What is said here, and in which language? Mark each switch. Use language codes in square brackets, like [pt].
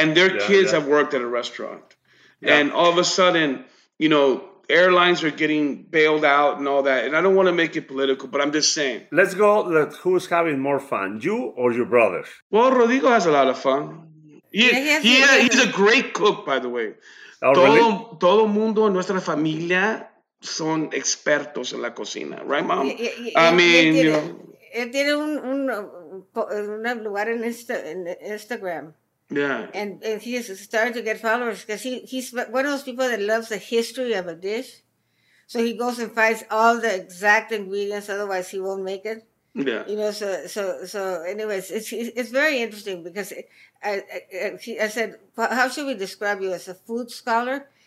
[en] And their kids have worked at a restaurant. Yeah. And all of a sudden, you know, airlines are getting bailed out and all that. And I don't want to make it political, but I'm just saying. Let's go. Who's having more fun, you or your brother? Well, Rodrigo has a lot of fun. He's a great cook, by the way. Oh, [es] todo mundo en nuestra familia son expertos en la cocina. [en] Right, Mom? [es] Él tiene un lugar en Instagram. [en] Yeah. And he is starting to get followers because he's one of those people that loves the history of a dish. So he goes and finds all the exact ingredients, otherwise he won't make it. Yeah. You know, so anyways, it's very interesting because I said, how should we describe you as a food scholar?